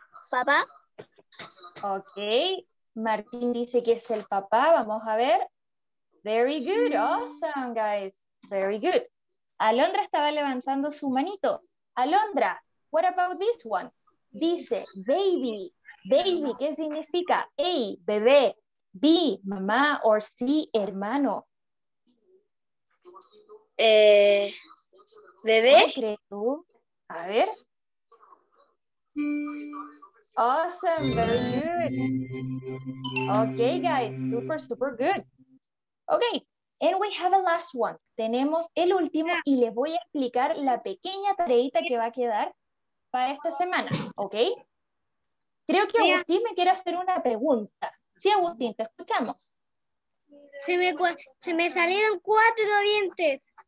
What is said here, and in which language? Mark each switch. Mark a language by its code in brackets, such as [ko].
[es] Papá. Ok. Martín dice que es el papá. Vamos a ver. [en] Very good. Awesome, guys. Very good. [es] Alondra estaba levantando su manito. [en] Alondra, what about this one? [es] Dice, baby. Baby, ¿qué significa? A, bebé. B, mamá. O C, hermano. ¿Bebé? ¿Crees tú? A ver. [en] Awesome, very good. Okay, guys, super, super good. Okay, and we have a last one. [es] Tenemos el último y les voy a explicar la pequeña tareita que va a quedar para esta semana, okay? Creo que Agustín me quiere hacer una pregunta. Sí, Agustín, te escuchamos. Se me salieron cuatro dientes.